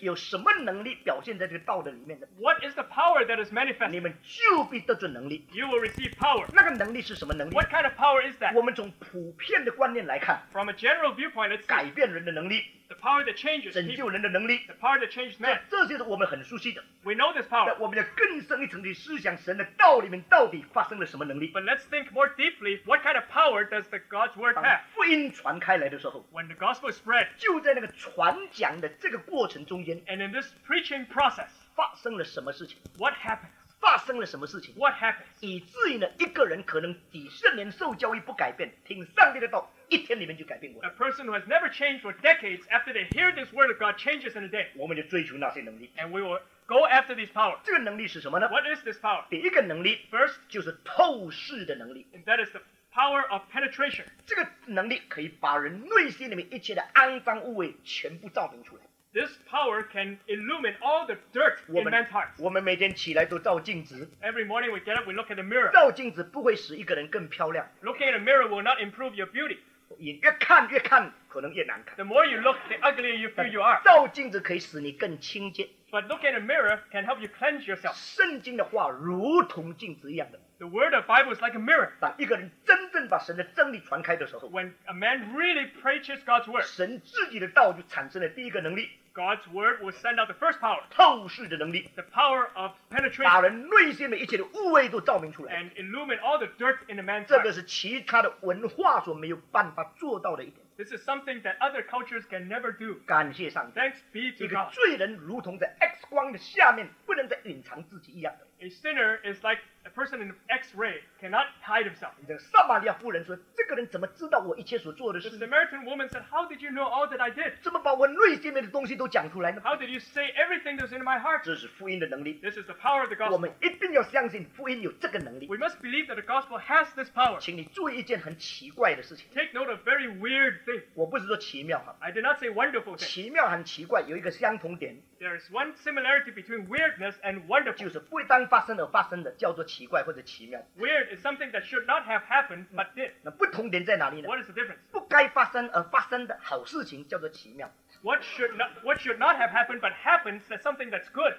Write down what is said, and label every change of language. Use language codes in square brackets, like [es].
[zh] 有什么能力表现在这个道的里面的？ [en] What is the power that is manifested? [zh] 你们就必得准能力。 [en] You will receive power. [zh] 那个能力是什么能力？ [en] What kind of power is that? [zh] 我们从普遍的观念来看， [en] From a general viewpoint, [zh] 改变人的能力， [en] the power that changes, [zh] 拯救人的能力， [en] the power that changes man. [zh] 这些是我们很熟悉的。 [en] We know this power. [zh] 但我们要更深一层的思想，神的道里面到底发生了什么能力。 [en] But let's think more deeply, what kind of power does the God's word have? [zh] 当福音传开来的时候， [en] When the gospel spread, [zh] 就在那个传讲的这个过程中间， [en] And in this preaching process, [zh] 发生了什么事情？ [en] What happened? [zh] 发生了什么事情？ [en] What happens? [zh] 以至于呢，一个人可能几十年受教育不改变，听上帝的道一天里面就改变过了。 [en] A person who has never changed for decades after they hear this word of God changes in a day. [zh] 我们就追求那些能力。 [en] And we will go after these powers. [zh] 这个能力是什么呢？ [en] What is this power? [zh] 第一个能力， [en] First, [zh] 就是透视的能力。 [en] And that is the power of penetration. [zh] 这个能力可以把人内心里面一切的肮脏污秽全部照明出来。 [en] This power can illumine all the dirt in man's hearts. [zh] 我们每天起来都照镜子。 [en] Every morning we get up, we look in the mirror. [zh] 照镜子不会使一个人更漂亮。 [en] Looking in a mirror will not improve your beauty. [zh] 越看越看，可能越难看。 [en] The more you look, the uglier you feel you are. [zh] 照镜子可以使你更清洁。 [en] But looking in a mirror can help you cleanse yourself. [zh] 圣经的话如同镜子一样的。 [en] The word of the Bible is like a mirror. [zh] 当一个人真正把神的真理传开的时候， [en] When a man really preaches God's word, [zh] 神自己的道就产生了第一个能力。 [en] God's word will send out the first power, [zh] 透视的能力， [en] the power of penetration, [zh] 把人内心的一切的污秽都照明出来， [en] and illumine all the dirt in a man's heart. [zh] 这个是其他的文化所没有办法做到的一点。 [en] This is something that other cultures can never do. [zh] 感谢上帝。 [en] Thanks be to God. [zh] 一个罪人如同在 X 光的下面，不能再隐藏自己一样的。 [en] A sinner is like a person in X-ray, cannot hide himself. [zh] 这个撒玛利亚妇人说，这个人怎么知道我一切所做的事？ [en] The Samaritan woman said, "How did you know all that I did?" [zh] 怎么把我内心里面的东西都讲出来呢？ [en] How did you say everything that's in my heart? [zh] 这是福音的能力。 [en] This is the power of the gospel. [zh] 我们一定要相信福音有这个能力。 [en] We must believe that the gospel has this power. [zh] 请你注意一件很奇怪的事情。 [en] Take note of very weird thing. [zh] 我不是说奇妙哈。 [en] I did not say wonderful thing. [zh] 奇妙和奇怪有一个相同点。 [en] There is one similarity between weirdness and wonderful. [zh] 就是不当发生而发生的叫做奇怪或者奇妙。 [en] Weird is something that should not have happened but did. [zh] 那不同点在哪里呢？ [en] What is the difference? [zh] 不该发生而发生的好事情叫做奇妙。 [en] what should not have happened but happens, that's something that's good.